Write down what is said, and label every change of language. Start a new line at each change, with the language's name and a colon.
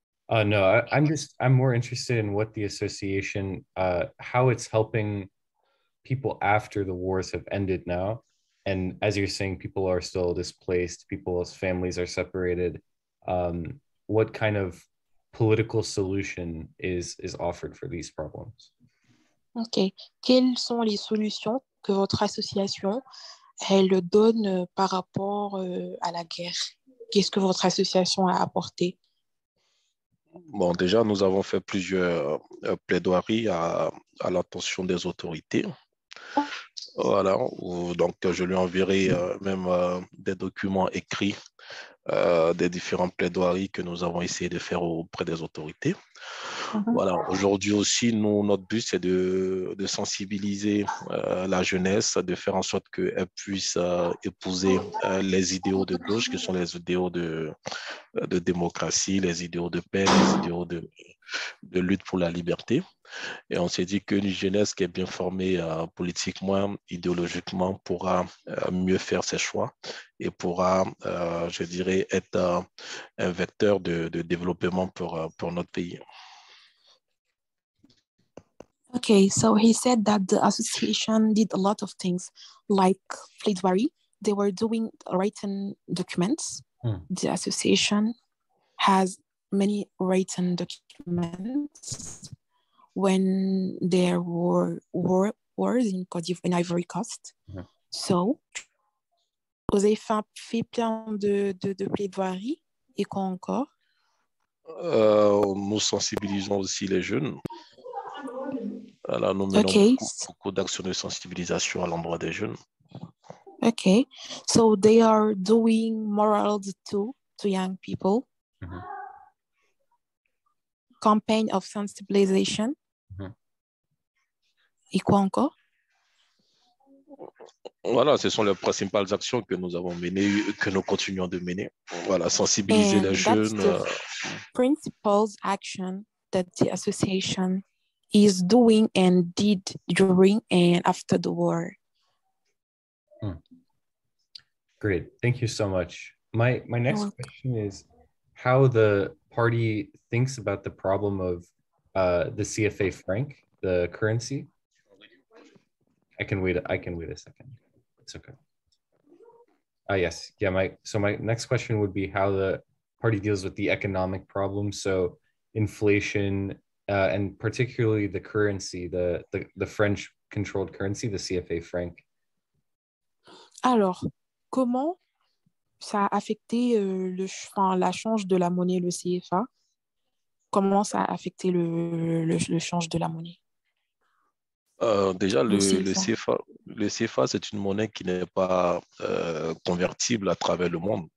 English: No, I'm more interested in what the association, how it's helping people after the wars have ended now. And as you're saying, people are still displaced, people's families are separated. what kind of political solution is offered for these problems? Okay.
French: Quelles sont les solutions que votre association elle donne par rapport à la guerre? Qu'est-ce que votre association a apporté? Bon, déjà, nous avons fait plusieurs plaidoiries à l'attention des autorités. Voilà, donc je lui enverrai même des documents écrits des différentes plaidoiries que nous avons essayé de faire auprès des autorités. Voilà, aujourd'hui aussi, nous, notre but, c'est de sensibiliser la jeunesse, de faire en sorte qu'elle puisse épouser les idéaux de gauche, qui sont les idéaux de démocratie, les idéaux de paix, les idéaux de lutte pour la liberté. Et on s'est dit qu'une jeunesse qui est bien formée politiquement, idéologiquement, pourra mieux faire ses choix et pourra, je dirais, être un vecteur de développement pour notre pays.
English: Okay, so he said that the association did a lot of things, like pleidoiry. They were doing written documents. The association has many written documents. When there were wars in Côte d'Ivoire, in Ivory Coast.
French: So, vous avez fait plein de plaidoiries et quoi encore? Nous sensibilisons aussi les jeunes. Alors, nous menons beaucoup d'actions de sensibilisation à l'endroit des jeunes.
English: Okay, so they are doing morals to young people. Mm-hmm. Campaign of sensibilization.
French: Et quoi encore? Voilà, ce sont les principales actions que nous avons menées, que nous continuons de mener. Voilà, sensibiliser les jeunes.
English: The principal action that the association is doing and did during and after the war. Great, thank you so much. My next question is how the party thinks about the problem of the CFA franc, the currency. I can wait a second. It's okay. Yes. Yeah, my next question would be how the party deals with the economic problem. So inflation and particularly the currency, the French controlled currency, the CFA franc.
French: Alors, comment ça a affecté la change de la monnaie, le CFA? Comment ça a affecté le change de la monnaie? Déjà, le CFA, c'est une monnaie qui n'est pas convertible à travers le monde.